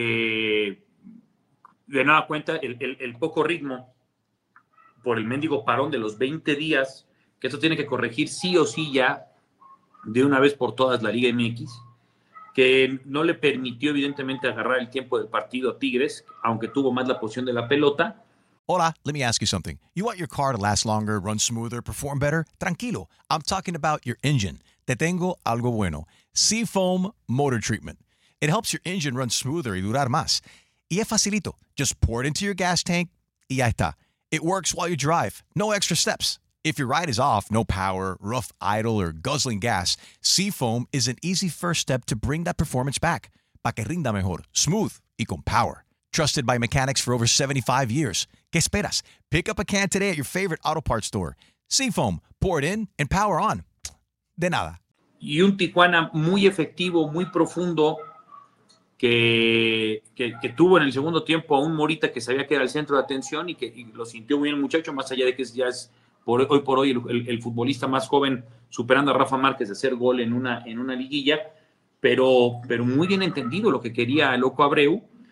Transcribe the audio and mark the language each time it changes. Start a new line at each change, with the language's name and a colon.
Spanish: De nada cuenta el poco ritmo por el mendigo parón de los 20 días, que eso tiene que corregir sí o sí ya, de una vez por todas, la Liga MX, que no le permitió evidentemente agarrar el tiempo del partido a Tigres, aunque tuvo más la posición de la pelota.
English: Hola, let me ask you something. You want your car to last longer, run smoother, perform better? Tranquilo, I'm talking about your engine.
Spanish: Te tengo algo bueno. Seafoam Motor Treatment.
English: It helps your engine run smoother
Spanish: y durar más. Y es facilito.
English: Just pour it into your gas tank
Spanish: y ya está.
English: It works while you drive. No extra steps. If your ride is off, no power, rough idle, or guzzling gas, Seafoam is an easy first step to bring that performance back.
Spanish: Pa' que rinda mejor, smooth, y con power.
English: Trusted by mechanics for over 75 years.
Spanish: ¿Qué esperas?
English: Pick up a can today at your favorite auto parts store. Seafoam, pour it in and power on.
Spanish: De nada. Y un Tijuana muy efectivo, muy profundo, que tuvo en el segundo tiempo a un Morita que sabía que era el centro de atención y lo sintió muy bien el muchacho, más allá de que ya es hoy por hoy el futbolista más joven superando a Rafa Márquez de hacer gol en una liguilla, pero muy bien entendido lo que quería Loco Abreu,